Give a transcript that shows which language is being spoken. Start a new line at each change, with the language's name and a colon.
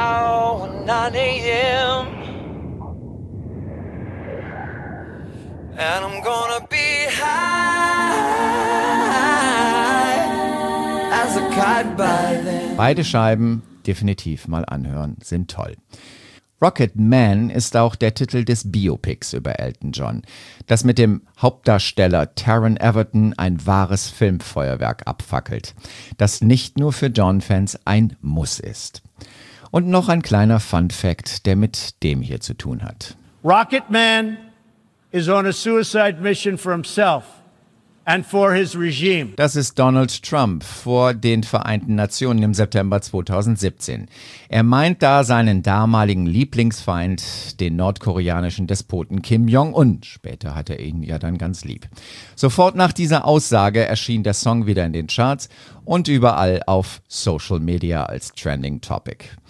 English: 0 hour, 9 a.m. And I'm gonna be high as a kite by then.
German: Beide Scheiben, definitiv mal anhören, sind toll. Rocket Man ist auch der Titel des Biopics über Elton John, das mit dem Hauptdarsteller Taron Egerton ein wahres Filmfeuerwerk abfackelt, das nicht nur für John-Fans ein Muss ist. Und noch ein kleiner Fun-Fact, der mit dem hier zu tun hat.
English: Rocket Man is on a suicide mission for himself and for his regime.
German: Das ist Donald Trump vor den Vereinten Nationen im September 2017. Er meint da seinen damaligen Lieblingsfeind, den nordkoreanischen Despoten Kim Jong-un. Später hat er ihn ja dann ganz lieb. Sofort nach dieser Aussage erschien der Song wieder in den Charts und überall auf Social Media als Trending Topic.